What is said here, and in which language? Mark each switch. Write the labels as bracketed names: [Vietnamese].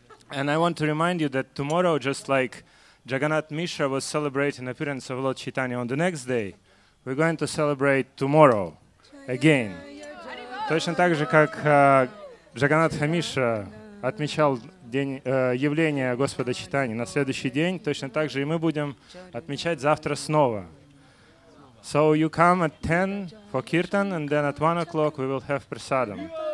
[English] And I want to remind you that tomorrow, just like Jagannath Mishra was celebrating the appearance of Lord Chaitanya on the next day, we're going to celebrate tomorrow again. [Russian] Точно так же, как Джаганатха Мишра отмечал день явления Господа Чайтаньи на следующий день, точно так же и мы будем отмечать завтра снова. [English] So you come at 10 for Kirtan, and then at 1 o'clock we will have prasadam.